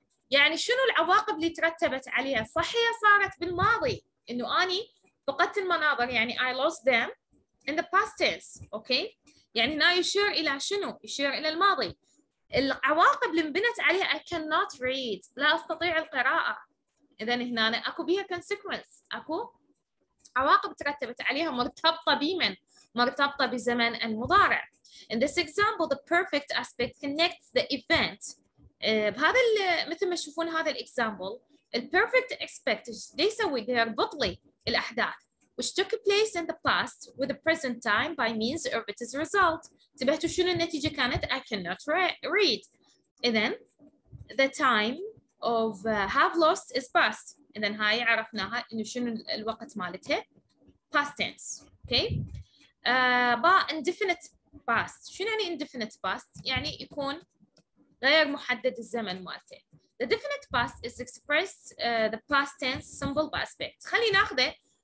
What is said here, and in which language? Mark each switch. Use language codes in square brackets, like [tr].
[ar] يعني شنو العواقب اللي ترتبت عليها صح هي صارت بالماضي انه اني فقدت المناظر يعني [en] I lost them in the past tense [ar] اوكي يعني هنا يشير الى شنو يشير الى الماضي العواقب اللي انبنت عليها [en] I cannot read [ar] لا استطيع القراءه اذا هنا اكو بيها consequence اكو عواقب ترتبت عليها مرتبطه بمن؟ مرتبطه بزمن المضارع. [en] In this example, the perfect aspect connects the event. [ar] بهذا مثل ما تشوفون هذا الاكزامبل، ال perfect aspect يسوي؟ يربط لي الاحداث [en] which took place in the past with the present time by means of its result. [ar] انتبهتوا شنو النتيجه كانت؟ [en] I cannot read. اذا the time of have lost is past. [ar] إذن هاي عرفناها إنه شنو الوقت مالتها past tense okay [en] indefinite past [ar] شنو يعني indefinite past يعني يكون غير محدد الزمن مالته [en] the definite past is expressed the past tense symbol by aspect [ar] خلي ناخذه